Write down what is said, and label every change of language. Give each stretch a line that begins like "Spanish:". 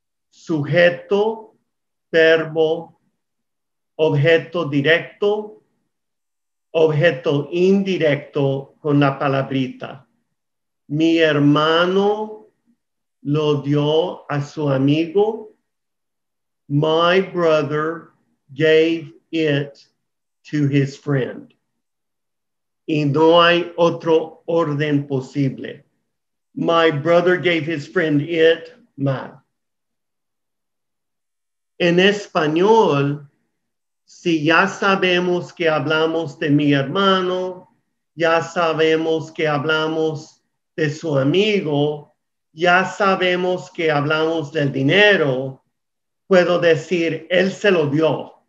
Spanish: Sujeto, verbo, objeto directo, objeto indirecto con la palabrita. Mi hermano lo dio a su amigo.
English: My brother gave it to his friend.
Spanish: Y no hay otro orden posible.
English: My brother gave his friend it, ma.
Spanish: En español, si ya sabemos que hablamos de mi hermano, ya sabemos que hablamos de su amigo, ya sabemos que hablamos del dinero, puedo decir, él se lo dio.